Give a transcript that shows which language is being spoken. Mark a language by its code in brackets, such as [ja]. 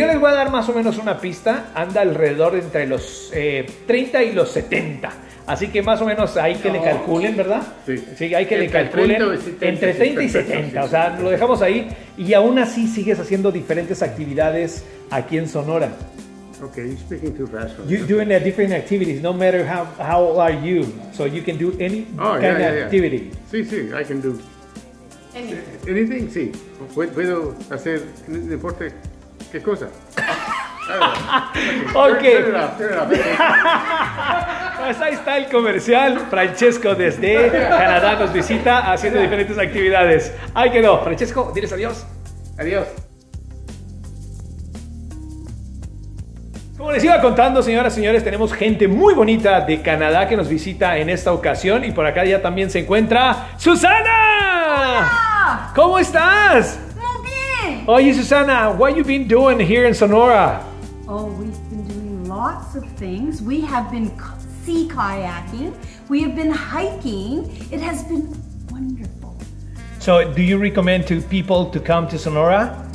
[es] Yo les voy a dar más o menos una pista. Anda alrededor entre los 30 y los 70. Así que más o menos hay que le calculen, ¿verdad? Sí. Sí, hay que entre le calculen. 30 y 70, entre 30 y 70. Sí, o sea, lo dejamos ahí. Y aún así sigues haciendo diferentes actividades aquí en Sonora. [en] Okay, you're speaking too fast. Right? You're doing different activities, no matter how old are you. So you can do any kind of activity. [es] Sí, sí, [en] I can do anything. Anything, [es] sí. Puedo hacer, no importa qué cosa. [en] Okay. Turn it up. [es] Pues ahí está el comercial. Francesco desde Canadá nos visita haciendo diferentes actividades. Ahí quedó. Francesco, diles adiós. Adiós. Como les iba contando, señoras y señores, tenemos gente muy bonita de Canadá que nos visita en esta ocasión y por acá ya también se encuentra Susana. Hola. ¿Cómo estás? Muy bien. Oye, [en] Susana, what have you been doing here in Sonora? Oh, we've been doing lots of things. We have been sea kayaking. We have been hiking. It has been wonderful. So, do you recommend to people to come to Sonora?